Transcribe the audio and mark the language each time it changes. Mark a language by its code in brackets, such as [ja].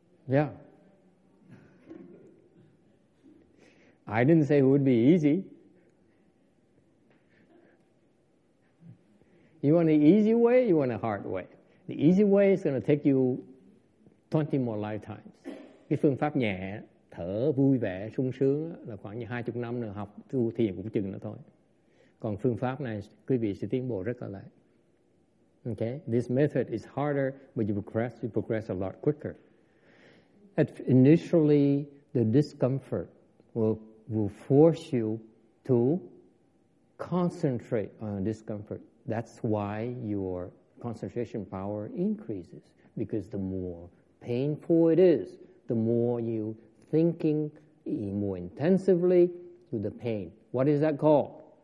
[en] Yeah. I didn't say it would be easy. You want the easy way, you want a hard way. The easy way is going to take you 20 more lifetimes. [vi] Cái phương pháp nhẹ, thở vui vẻ, sung sướng là khoảng như 20 năm nữa học tu thiền cũng chừng nữa thôi. Còn phương pháp này, quý vị sẽ tiến bộ rất là lại. [en] Okay? This method is harder, but you progress a lot quicker. Initially, the discomfort will force you to concentrate on discomfort. That's why your concentration power increases, because the more painful it is, the more you thinking more intensively to the pain, What is that called?